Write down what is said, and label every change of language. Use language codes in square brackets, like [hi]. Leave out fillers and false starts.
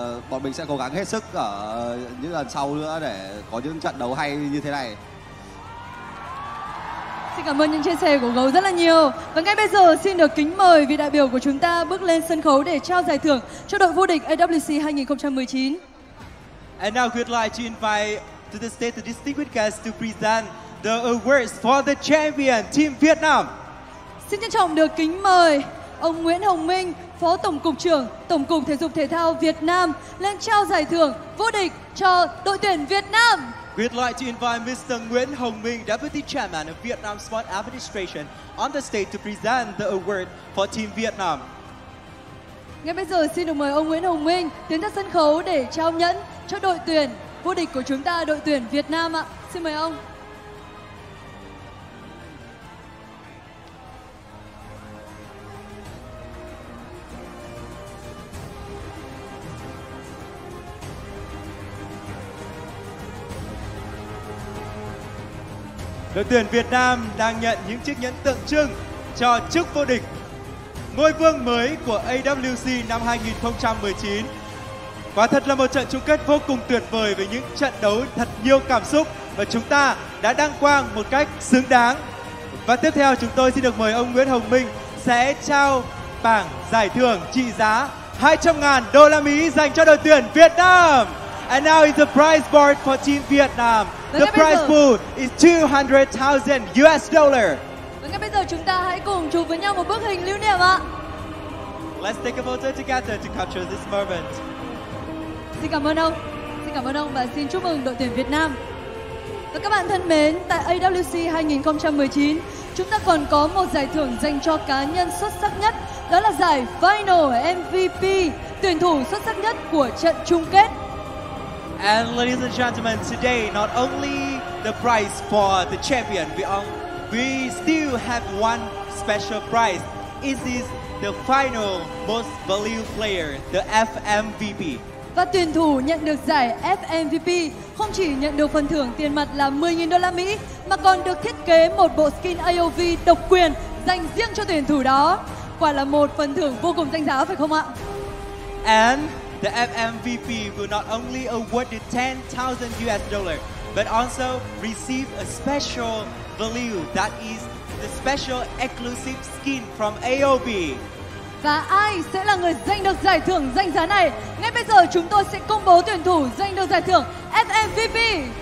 [vi] Bọn mình sẽ cố gắng hết sức ở những lần sau nữa để có những trận đấu hay như thế này. Xin cảm ơn những chia sẻ của Gấu rất là nhiều. Và ngay bây giờ xin được kính mời vị đại biểu của chúng ta bước lên sân khấu để trao giải thưởng cho đội vô địch AWC 2019. [en] And now we'd like to invite to the stage, the distinguished guests to present the awards for the champion team Vietnam. [vi] Xin trân trọng được kính mời ông Nguyễn Hồng Minh, Phó Tổng cục trưởng Tổng cục Thể dục Thể thao Việt Nam lên trao giải thưởng vô địch cho đội tuyển Việt Nam. [en] We'd like to invite Mr. Nguyễn Hồng Minh, Deputy Chairman of Vietnam Sports Administration, on the stage to present the award for team Vietnam. [vi] Ngay bây giờ xin được mời ông Nguyễn Hồng Minh tiến ra sân khấu để trao nhẫn cho đội tuyển vô địch của chúng ta, đội tuyển Việt Nam ạ. Xin mời ông. Đội tuyển Việt Nam đang nhận những chiếc nhẫn tượng trưng cho chức vô địch, ngôi vương mới của AWC năm 2019. Quả thật là một trận chung kết vô cùng tuyệt vời với những trận đấu thật nhiều cảm xúc và chúng ta đã đăng quang một cách xứng đáng. Và tiếp theo chúng tôi xin được mời ông Nguyễn Hồng Minh sẽ trao bảng giải thưởng trị giá 200.000 đô la Mỹ dành cho đội tuyển Việt Nam. [en] And now is the prize board for team Vietnam. The prize pool is 200,000 US dollar. [vi] Và ngay bây giờ chúng ta hãy cùng chụp với nhau một bức hình lưu niệm ạ. [en] Let's take a photo together to capture this moment. [vi] Xin cảm ơn ông. Xin cảm ơn ông và xin chúc mừng đội tuyển Việt Nam. Và các bạn thân mến, tại AWC 2019, chúng ta còn có một giải thưởng dành cho cá nhân xuất sắc nhất, đó là giải Final MVP, tuyển thủ xuất sắc nhất của trận chung kết. [en] And ladies and gentlemen, today not only the prize for the champion, we still have one special prize. It is the final most valuable player, the FMVP. [vi] Và tuyển thủ nhận được giải FMVP không chỉ nhận được phần thưởng tiền mặt là 10.000 đô la Mỹ mà còn được thiết kế một bộ skin AOV độc quyền dành riêng cho tuyển thủ đó. Quả là một phần thưởng vô cùng danh giá phải không ạ? [en] And the FMVP will not only award the 10,000 US dollar but also receive a special value, that is the special exclusive skin from AOV. [vi] Và ai sẽ là người giành được giải thưởng danh giá này? Ngay bây giờ chúng tôi sẽ công bố tuyển thủ giành được giải thưởng FMVP.